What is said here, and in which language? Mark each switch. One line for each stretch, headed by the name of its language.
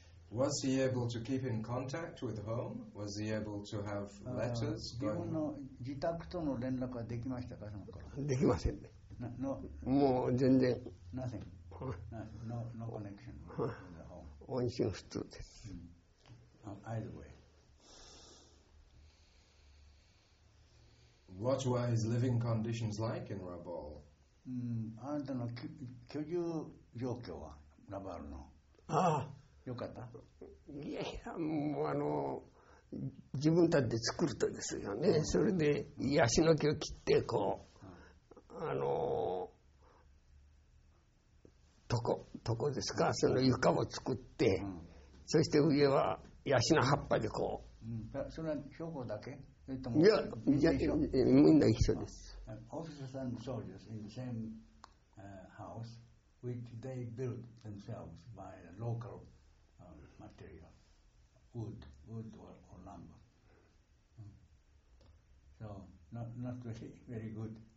English: Was he able to keep in contact with home? Was he able to have letters going?
Japanese: 自分の自宅との連絡はできましたか、その頃。できませんね。
English: No.
Japanese: もう全然。
English: Nothing. No connection with the home.
Japanese: 音信不通です。
English: Either way. What were his living conditions like in Rabaul?
Japanese: あなたの居住状況は、ラバールの。ああ。よかった。いやいや、もうあの、自分たちで作るとですよね。それで、ヤシの木を切って、こう、あの、床ですか、その床を作って、そして上はヤシの葉っぱでこう、それは標高だけ、いや、みんな一緒です。
English: Officers and soldiers in the same、house which they built themselves by a local、material wood or lumber、so not very, very good.